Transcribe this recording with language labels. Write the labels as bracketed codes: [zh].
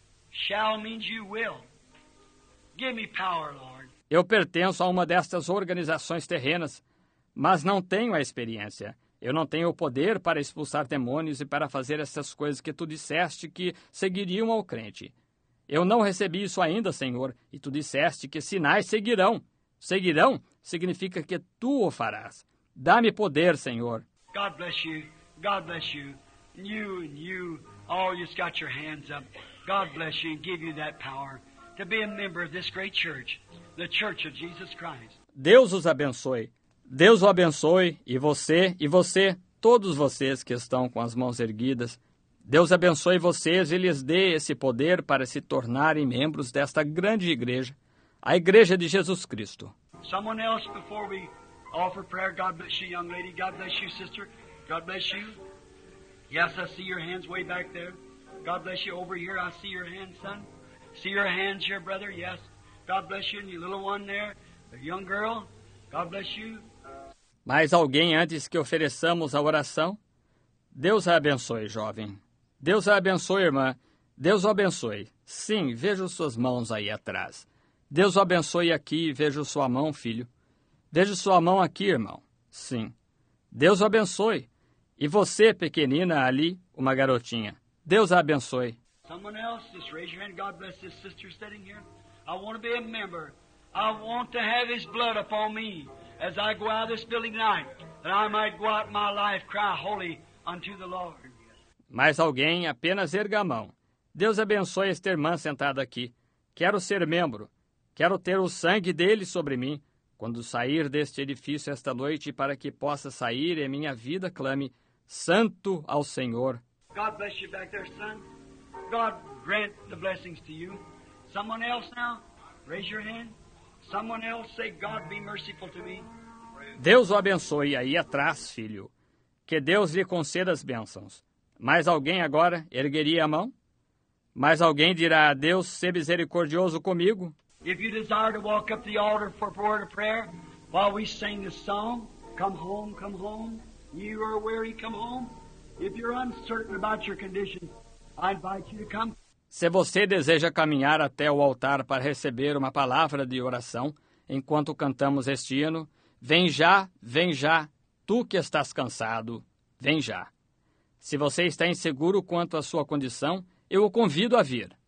[en] Shall means you will. Give me power, Lord. [pt] Eu pertenço a uma destas organizações terrenas, mas não tenho a experiência. Eu não tenho o poder para expulsar demônios e para fazer essas coisas que tu disseste que seguiriam ao crente. Eu não recebi isso ainda, Senhor, e tu disseste que sinais seguirão. Seguirão significa que tu o farás. Dá-me poder, Senhor. [en] God bless you. God bless you. You and you, all just got your hands up. God bless you and give you that power to be a member of this great church, the Church of Jesus Christ. [pt] Deus os abençoe. Deus o abençoe e você, todos vocês que estão com as mãos erguidas. Deus abençoe vocês e lhes dê esse poder para se tornarem membros desta grande igreja, a Igreja de Jesus Cristo. [en] Someone else before we offer prayer, God bless you, young lady. God bless you, sister. God bless you. Yes, I see your hands way back there. God bless you over here. I see your hands, son. See your hands here, brother. Yes. God bless you and your little one there, the young girl. God bless you. [pt] Mais alguém antes que ofereçamos a oração? Deus a abençoe, jovem. Deus a abençoe, irmã. Deus o abençoe. Sim, vejo suas mãos aí atrás. Deus o abençoe aqui e vejo sua mão, filho. Vejo sua mão aqui, irmão. Sim. Deus o abençoe. E você, pequenina, ali, uma garotinha. Deus a abençoe. [en] Someone else, just raise your hand. God bless this sister sitting here. I want to be a member. I want to have his blood upon me as I go out of this building tonight, that I might go out my life cry holy unto the Lord. [pt] Mais alguém, apenas erga a mão. Deus abençoe esta irmã sentada aqui. Quero ser membro. Quero ter o sangue dele sobre mim quando sair deste edifício esta noite para que possa sair e minha vida clame santo ao Senhor. [en] God bless you back there, son. God grant the blessings to you. Someone else now, raise your hand. Someone else say, God be merciful to me. [pt] Deus o abençoe aí atrás, filho. Que Deus lhe conceda as bênçãos. Mais alguém agora ergueria a mão? Mais alguém dirá, Deus, se misericordioso comigo? [en] If you desire to walk up the altar for a word of prayer while we sing this song, come home, you are weary, come home. If you're uncertain about your condition, I invite you to come. [pt] Se você deseja caminhar até o altar para receber uma palavra de oração enquanto cantamos este hino, vem já, tu que estás cansado, vem já. Se você está inseguro quanto à sua condição, eu o convido a vir.